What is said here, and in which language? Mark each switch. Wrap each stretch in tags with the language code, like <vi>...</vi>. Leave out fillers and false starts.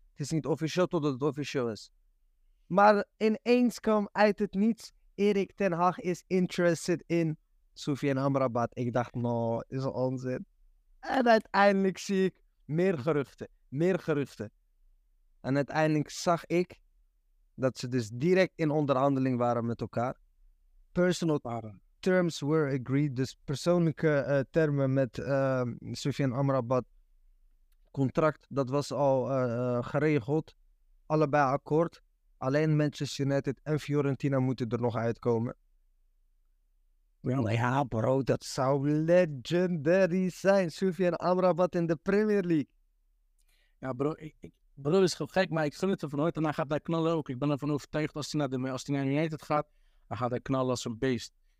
<nl>Het is niet officieel totdat het officieel is. Maar ineens kwam uit het niets, Erik ten Hag</nl> <en>is interested in</en> <nl>Sofie en Amrabat. Ik dacht, nou, is een onzin. En uiteindelijk zie ik meer geruchten. En uiteindelijk zag ik dat ze dus direct in onderhandeling waren met elkaar.</nl> <en>Personal terms were agreed.</en> <nl>Dus persoonlijke termen met Sofie en Amrabat. Contract, dat was al geregeld. Allebei akkoord. Alleen Manchester United en Fiorentina moeten er nog uitkomen. Ja, bro, dat zou legendary zijn. Sofie en Amrabat in de Premier League. Ja, bro, bro is gewoon gek, maar ik gun het er vanuit. En hij gaat daar knallen ook. Ik ben ervan overtuigd, als hij naar United gaat, dan gaat hij knallen als een beest.</nl>